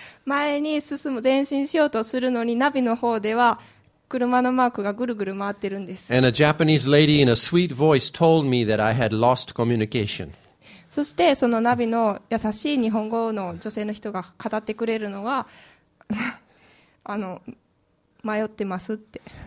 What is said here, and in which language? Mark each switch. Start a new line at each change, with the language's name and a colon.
Japanese: 前に進む、前進しようとするのにナビの方では車のマークがぐるぐる回ってるんです。
English: And a Japanese lady in a sweet voice told me that I had lost communication.
Japanese: そしてそのナビの優しい日本語の女性の人が語ってくれるのが、迷ってますって。